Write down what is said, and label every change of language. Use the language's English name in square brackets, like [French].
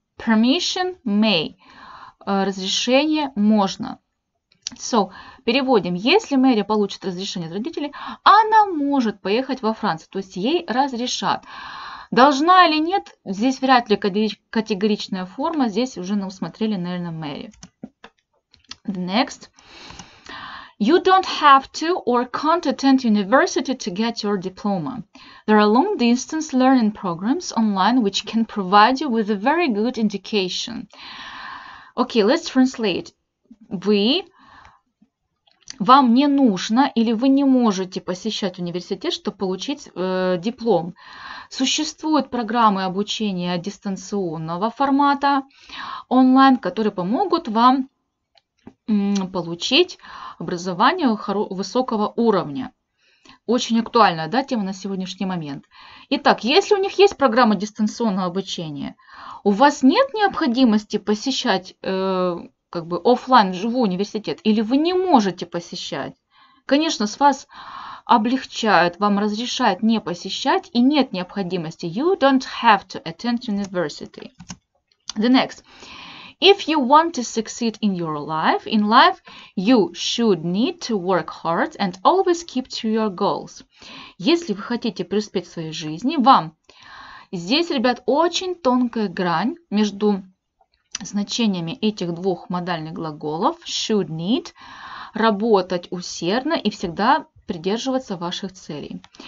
[Russian] Permission may, разрешение можно. So, переводим. Если Мэри получит разрешение от родителей, она может поехать во Францию. То есть, ей разрешат. Должна или нет, здесь вряд ли категоричная форма. Здесь уже усмотрели, наверное, Мэри. [English] The next. You don't have to or can't attend university to get your diploma. There are long-distance learning programs online which can provide you with a very good education. Okay, let's translate. [Russian] Вам не нужно или вы не можете посещать университет, чтобы получить диплом. Существуют программы обучения дистанционного формата онлайн, которые помогут вам получить образование высокого уровня. Очень актуальная, да, тема на сегодняшний момент. Итак, если у них есть программа дистанционного обучения, у вас нет необходимости посещать как бы офлайн, живой университет, или вы не можете посещать. Конечно, с вас облегчают, вам разрешают не посещать, и нет необходимости. [English] You don't have to attend university. The next. If you want to succeed in your life, in life, you should need to work hard and always keep to your goals. [Russian] Если вы хотите преуспеть в своей жизни, вам. Здесь, ребят, очень тонкая грань между значениями этих двух модальных глаголов. [English] Should need. [Russian] Работать усердно и всегда придерживаться ваших целей.